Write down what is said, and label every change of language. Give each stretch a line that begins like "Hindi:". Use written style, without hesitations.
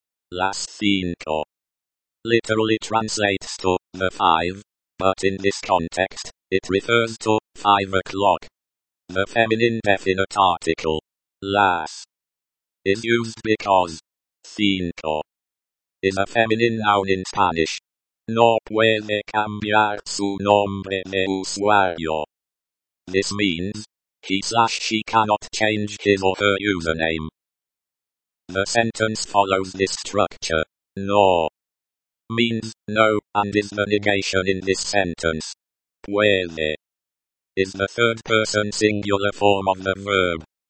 Spanish: Las cinco
English: literally translates to the five, but in this context, it refers to 5 o'clock. The feminine definite article. Las is used because cinco is a feminine noun in Spanish.
Spanish: No puede cambiar su nombre de usuario.
English: This means he slash she cannot change his or her username. The sentence follows this structure. No means no and is the negation in this sentence. Puede is the third person singular form of the verb.